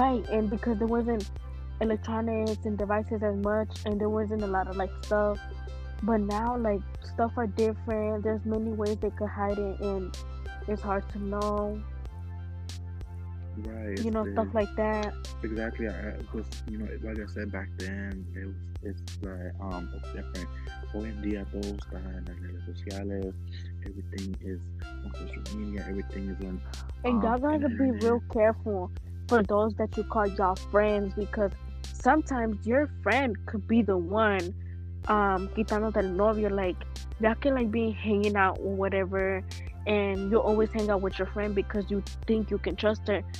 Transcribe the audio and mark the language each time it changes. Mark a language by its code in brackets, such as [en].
[en] right, and because there wasn't electronics and devices as much, and there wasn't a lot of, like, stuff. But now, like, stuff are different. There's many ways they could hide it, and it's hard to know. Right. You know, stuff like that. Exactly. Because, you know, like I said, back then, it's different. [es] Hoy en día, todo está en las redes sociales. [en] Everything is on social media. Everything is on. And y'all gotta internet. Be real careful for those that you call y'all friends, because sometimes your friend could be the one, [es] quitando del novio, [en] like, y'all can, like, be hanging out or whatever, and you'll always hang out with your friend because you think you can trust her.